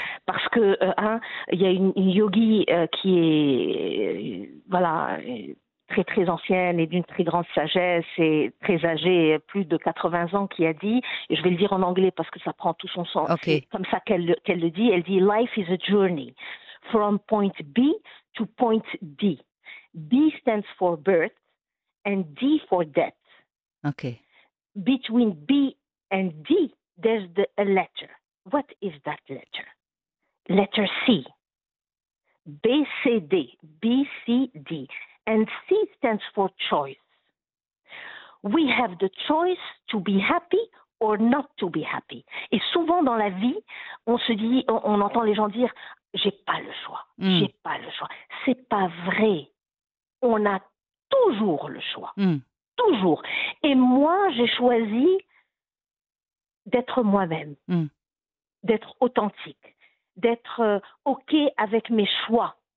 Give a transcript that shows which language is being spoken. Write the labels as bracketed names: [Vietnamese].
[French] Parce que, il y a une yogi qui est, très très ancienne et d'une très grande sagesse et très âgée, plus de 80 ans, qui a dit, et je vais le dire en anglais parce que ça prend tout son sens, okay. comme ça qu'elle le dit, elle dit « [English] Life is a journey from point B to point D. B stands for birth and D for death. Okay. Between B and D, there's a letter. What is that letter? Letter C. B, C, D. B, C, D. And C stands for choice. We have the choice to be happy or not to be happy. [French] Et souvent dans la vie, on entend les gens dire, j'ai pas le choix, j'ai pas le choix. C'est pas vrai. On a toujours le choix. Mm. Toujours. Et moi, j'ai choisi d'être moi-même, d'être authentique, d'être OK avec mes choix.